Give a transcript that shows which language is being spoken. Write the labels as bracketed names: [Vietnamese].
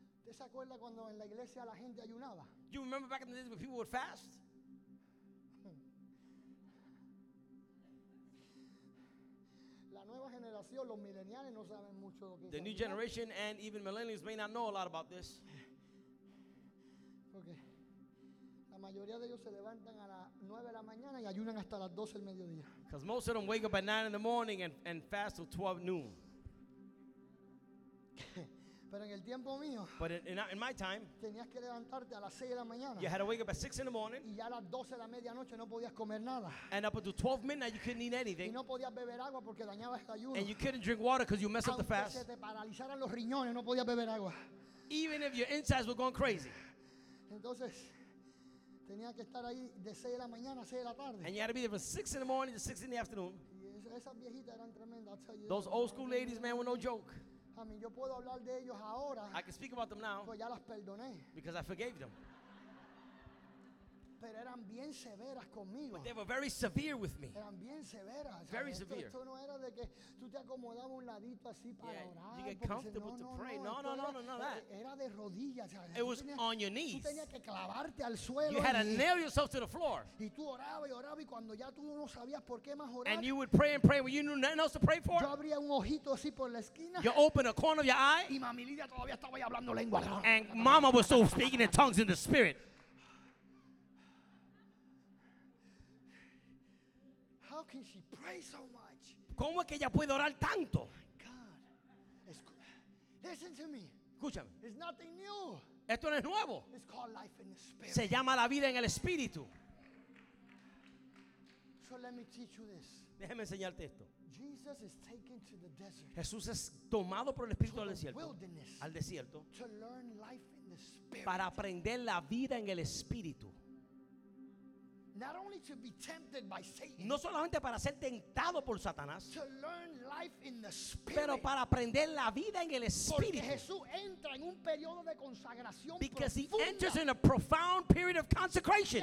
[Spanish] ¿Se acuerda cuando en la iglesia la gente ayunaba? [English] Do you remember back in the days when people would fast? [Spanish] La nueva generación, los millennials, no saben mucho lo que es. [English] The new generation and even millennials may not know a lot about this. [Spanish] Porque la mayoría de ellos se levantan a las 9 de la mañana y ayunan hasta las 12 del mediodía. [English] Because most of them wake up at 9 in the morning and fast till 12 noon. [Spanish] Pero en el tiempo mío, [English] but in my time, [Spanish] tenías que levantarte a las 6 de la mañana. [English] You had to wake up at 6 in the morning. [Spanish] Y ya a las 12 de la medianoche no podías comer nada. [English] And up until 12 midnight you couldn't eat anything. [Spanish] Y no podías beber agua porque dañabas el ayuno. [English] And you couldn't drink water because you messed up the fast. [Spanish] Aunque se te paralizaran los riñones, no podías beber agua. [English] Even if your insides were going crazy. [Spanish] Entonces, tenías que estar ahí de 6 de la mañana a 6 de la tarde. [English] And you had to be there from 6 in the morning to 6 in the afternoon. [Spanish] Y esas viejitas eran tremendas. [English] Those old school ladies, man, were no joke. [Spanish] Yo puedo hablar de ellos ahora. [English] I can speak about them now. [Spanish] Pues ya las perdoné. [English] Because I forgave them. [Spanish] Pero eran bien severas conmigo. [English] But they were very severe with me. [Spanish] Eran bien severas. [English] Very severe. [Spanish] Esto no era de que tú te acomodabas un ladito así para orar. [English] You get comfortable to pray. No, that. [Spanish] Era de rodillas. [English] It was on your knees. [Spanish] Tú tenías que clavarte al suelo. [English] You had to nail yourself to the floor. [Spanish] Y tú orabas y orabas y cuando ya tú no sabías por qué más orar. [English] And you would pray and pray when you knew nothing else to pray for. [Spanish] Yo abría un ojito así por la esquina. [English] You open a corner of your eye. [Spanish] Y mami Lidia todavía estaba ahí hablando lengua. [English] And mama was still speaking in tongues in the spirit. How can she pray so much? [Spanish] ¿Cómo es que ella puede orar tanto? [English] God. Listen to me. [Spanish] Escúchame. [English] It's nothing new. [Spanish] Esto no es nuevo. [English] It's called life in the spirit. [Spanish] Se llama la vida en el espíritu. [English] So let me teach you this. [Spanish] Déjeme enseñarte esto. [English] Jesus is taken to the desert. [Spanish] Jesús es tomado por el espíritu al desierto. [English] Wilderness. [Spanish] Al desierto. [English] To learn life in the spirit. [Spanish] Para aprender la vida en el espíritu. [English] Not only to be tempted by Satan. [Spanish] No solamente para ser tentado por Satanás. [English] To learn life in the spirit. [Spanish] Pero para aprender la vida en el espíritu. Porque Jesús entra en un periodo de consagración [English] because [Spanish] profunda. [English] Because he enters in a profound period of consecration.